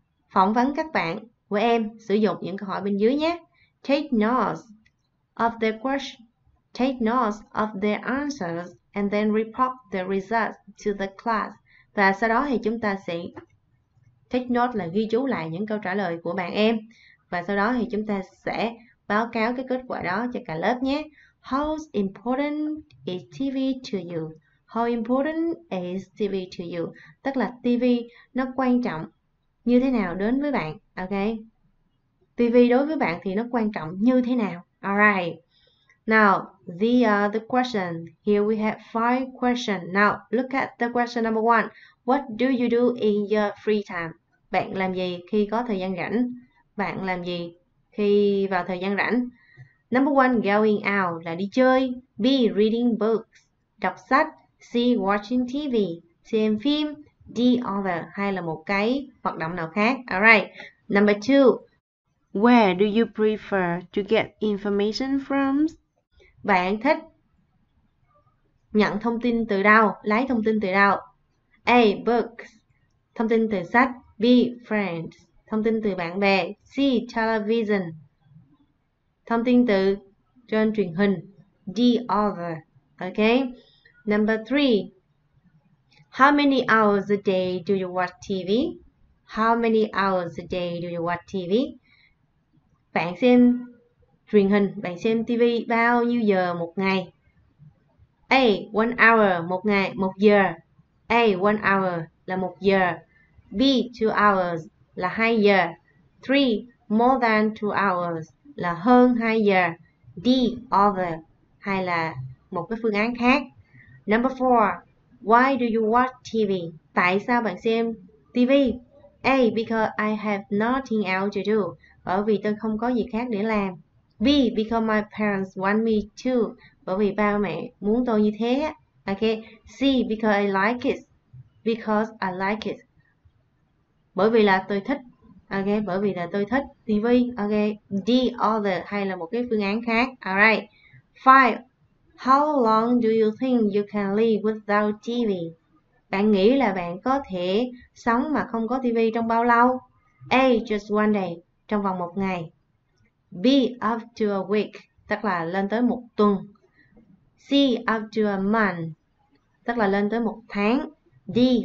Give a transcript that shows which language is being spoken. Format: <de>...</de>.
<vi>Phỏng vấn các bạn của em sử dụng những câu hỏi bên dưới nhé.</vi> <en>Take notes of their question. Take notes of their answers and then report the results to the class.</en> <vi>Và sau đó thì chúng ta sẽ take note là ghi chú lại những câu trả lời của bạn em. Và sau đó thì chúng ta sẽ báo cáo cái kết quả đó cho cả lớp nhé.</vi> <en>How important is TV to you? How important is TV to you?</en> <vi>Tức là TV nó quan trọng như thế nào đến với bạn? Ok. TV đối với bạn thì nó quan trọng như thế nào?</vi> <en>Alright. Now, the question. Here we have 5 questions. Now, look at the question number 1. What do you do in your free time?</en> <vi>Bạn làm gì khi có thời gian rảnh? Bạn làm gì khi vào thời gian rảnh?</vi> <en>Number 1, going out</en> <vi>là đi chơi.</vi> <en>B, reading books.</en> <vi>đọc sách,</vi> <en>C watching TV,</en> <vi>xem phim, D other hay là một cái hoạt động nào khác.</vi> <en>Alright, number two. Where do you prefer to get information from?</en> <vi>Bạn thích nhận thông tin từ đâu, lấy thông tin từ đâu? A. Books, thông tin từ sách. B. Friends, thông tin từ bạn bè. C. Television, thông tin từ trên truyền hình.</vi> <en>D. Other. Ok. Number 3. How many hours a day do you watch TV? How many hours a day do you watch TV?</en> <vi>Bạn xem truyền hình, bạn xem TV bao nhiêu giờ một ngày? A. 1 hour, một ngày, một giờ. A. 1 hour là một giờ. B. 2 hours là 2 giờ. 3.</vi> <en>More than 2 hours</en> <vi>là hơn 2 giờ. D. Other hay là một cái phương án khác.</vi> <en>Number 4. Why do you watch TV?</en> <vi>Tại sao bạn xem TV?</vi> <en>A. Because I have nothing else to do.</en> <vi>Bởi vì tôi không có gì khác để làm. B.</vi> <en>Because my parents want me to.</en> <vi>Bởi vì ba mẹ muốn tôi như thế.</vi> <en>Okay. C. Because I like it. Because I like it.</en> <vi>Bởi vì là tôi thích.</vi> <en>Okay.</en> <vi>Bởi vì là tôi thích TV. Okay. D. Other hay là một cái phương án khác.</vi> <en>Alright. 5. How long do you think you can live without TV?</en> <vi>Bạn nghĩ là bạn có thể sống mà không có TV trong bao lâu? A.</vi> <en>Just one day,</en> <vi>trong vòng một ngày. B.</vi> <en>Up to a week,</en> <vi>tức là lên tới một tuần. C.</vi> <en>Up to a month,</en> <vi>tức là lên tới một tháng. D.</vi>